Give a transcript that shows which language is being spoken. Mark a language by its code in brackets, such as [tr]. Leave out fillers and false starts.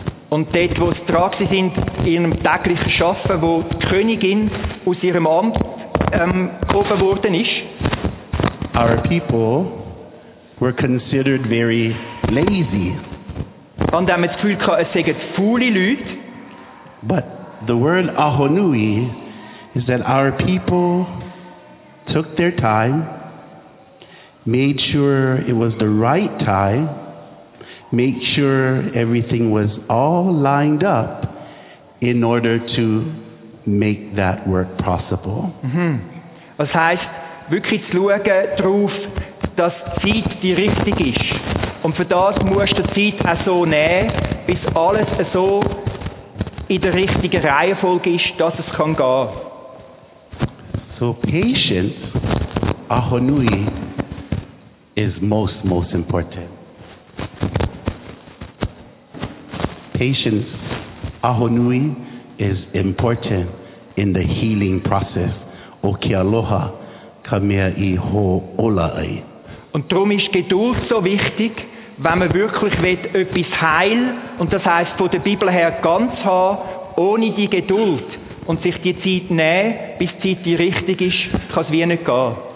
[de] Und dort, wo sie dran waren, in ihrem täglichen Arbeiten, wo die Königin aus ihrem Amt gehoben worden ist. [en] Our people were considered very lazy. [de] Und haben das Gefühl gehabt, es seien faule Leute. [en] But the word Ahonui is that our people took their time, made sure it was the right time, made sure everything was all lined up in order to make that work possible. Mm-hmm. [de] Das heisst, wirklich zu schauen darauf, dass die Zeit die richtige ist. Und für das musst du die Zeit auch so nehmen, bis alles so in der richtigen Reihenfolge ist, dass es kann gehen. [en] So patience, Ahonui, is most, most important. Patience, Ahonui, is important in the healing process. [haw] Oki aloha, kamea iho ola'ai. [de] Und darum ist Geduld so wichtig, wenn man wirklich will, etwas heil, und das heisst von der Bibel her ganz haben, ohne die Geduld, und sich die Zeit nehmen, bis die Zeit die richtig ist, kann es wie nicht gehen.